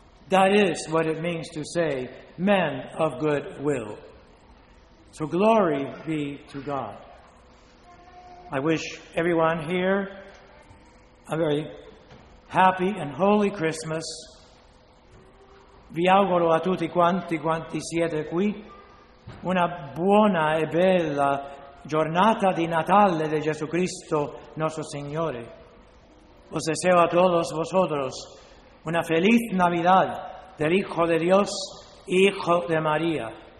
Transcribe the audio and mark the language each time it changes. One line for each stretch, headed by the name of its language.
English: That is what it means to say, men of good will. So glory be to God. I wish everyone here a very happy and holy Christmas.
Italian: Vi auguro a tutti quanti siete qui una buona e bella giornata di Natale de Gesù Cristo, nostro Signore.
Spanish: Os deseo a todos vosotros una feliz Navidad del Hijo de Dios, Hijo de María.